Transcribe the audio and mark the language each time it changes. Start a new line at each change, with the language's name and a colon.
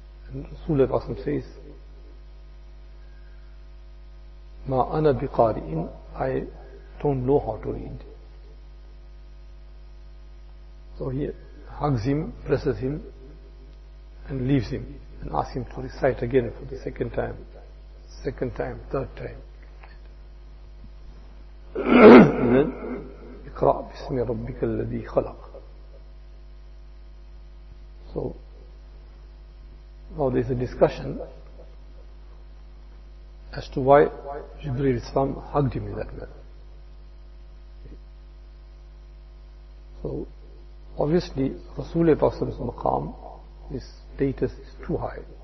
English: And Rasulullah says,
Arabic: Ma ana biqari'in,
English: I don't know how to read. So he hugs him, presses him, and leaves him, and asks him to recite again for the second time, third time.
Arabic: And then, اقرأ بسم ربك الذي خلق.
English: So, now there is a discussion as to why Jibreel Islam hugged him in that manner. So, obviously, Rasulullah's maqam, his status is too high.